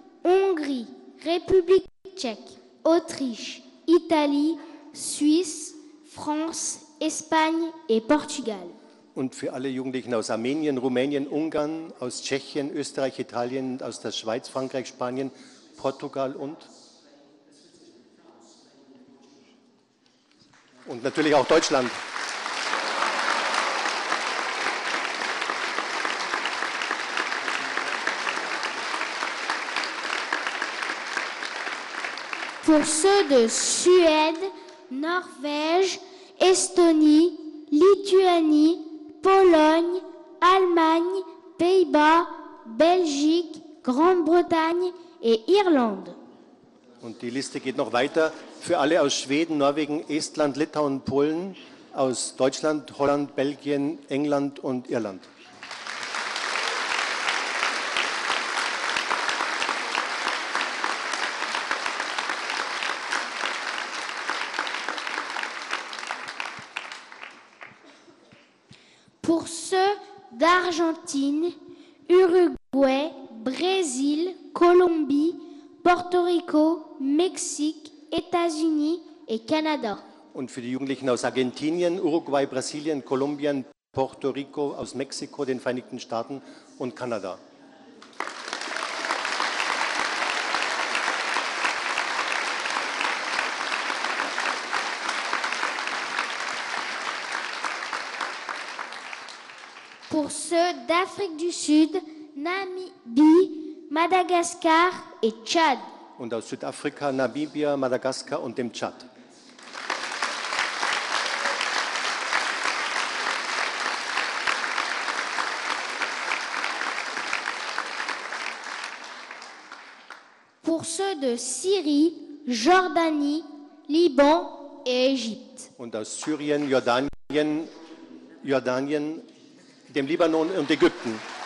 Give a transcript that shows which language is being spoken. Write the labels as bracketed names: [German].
[French] Hongrie, République tchèque, Autriche, Italie, Suisse, France, Espagne et Portugal. [German] Und für alle Jugendlichen aus Armenien, Rumänien, Ungarn, aus Tschechien, Österreich, Italien, aus der Schweiz, Frankreich, Spanien, Portugal und natürlich auch Deutschland. [French] Pour ceux de Suède, Norvège, Estonie, Lituanie, Pologne, Allemagne, Pays-Bas, Belgique, Grande-Bretagne et Irlande. [German] Und die Liste geht noch weiter. Für alle aus Schweden, Norwegen, Estland, Litauen, Polen, aus Deutschland, Holland, Belgien, England und Irland. [French] Pour ceux d'Argentine, Uruguay, Brésil, Colombie, Porto Rico, Mexique, États-Unis et Canada. [German] Und für die Jugendlichen aus Argentinien, Uruguay, Brasilien, Kolumbien, Porto Rico, aus Mexiko, den Vereinigten Staaten und Kanada. [French] Pour ceux d'Afrique du Sud, Namibie, Madagascar et Tchad. [German] Und aus Südafrika, Namibia, Madagaskar und dem Tschad. [French] Pour ceux de Syrie, Jordanie, Liban et Égypte. [German] Und aus Syrien, Jordanien, dem Libanon und Ägypten.